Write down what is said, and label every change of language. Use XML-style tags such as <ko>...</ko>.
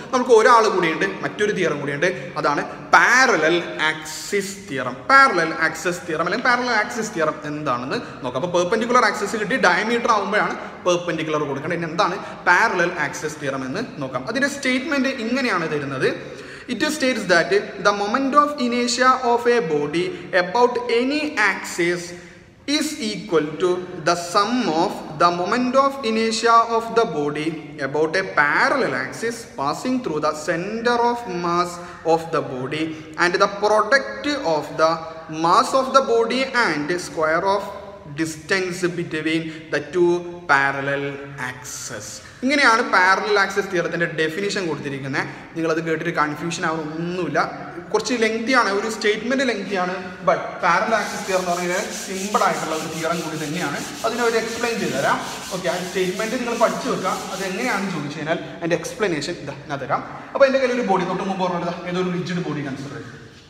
<ml>നമുക്ക് ഒരാൾ കൂടിയുണ്ട്, മറ്റൊരു തിയറം കൂടിയുണ്ട്, അതാണ് parallel axis theorem. Parallel axis theorem അല്ലെങ്കിൽ പാരലൽ ആക്സിസ് തിയറം എന്താണെന്ന് നോക്കാം. അപ്പോൾ പെർപെൻഡിക്കുലർ ആക്സിസ് കിട്ടി, ഡയമീറ്റർ ആകുമ്പോഴാണ് പെർപെൻഡിക്കുലർ കൊടുക്കേണ്ടത്. ഇനി എന്താണ് പാരലൽ ആക്സിസ് തിയറം എന്ന് നോക്കാം. അതിൻ്റെ സ്റ്റേറ്റ്മെൻറ്റ് ഇങ്ങനെയാണ് തരുന്നത്.</ml> <en>It states that the moment of inertia of a body about any axis is equal to the sum of the moment of inertia of the body about a parallel axis passing through the center of mass of the body and the product of the mass of the body and square of distance between the two parallel axes.</en> <ml>ഇങ്ങനെയാണ് parallel axis തിയറത്തിന്റെ definition കൊടുത്തിരിക്കുന്നത്. നിങ്ങൾ അത് കേട്ടിട്ട് confusion ആവുന്നൊന്നുമില്ല. കുറച്ച് lengthy ആണ്, ഒരു statement lengthy ആണ്, but parallel axis theorem എന്ന് പറഞ്ഞാൽ സിമ്പിൾ ആയിട്ടുള്ള ഒരു തിയറം കൂടി തന്നെയാണ്. അതിനെ ഒരു എക്സ്പ്ലെയിൻ ചെയ്തുതരാം. ഓക്കെ, ആ സ്റ്റേറ്റ്മെന്റ് നിങ്ങൾ പഠിച്ചു വെക്കുക. അത് എങ്ങനെയാണെന്ന് ചോദിച്ചു കഴിഞ്ഞാൽ അതിന്റെ എക്സ്പ്ലനേഷൻ ഞാൻ തരാം. അപ്പോൾ എൻ്റെ കയ്യിൽ ഒരു ബോഡി തൊട്ട് മുമ്പ് പറഞ്ഞത് ഏതോ ഒരു റിജിഡ് ബോഡി കൺസിഡർ ചെയ്യുക.</ml>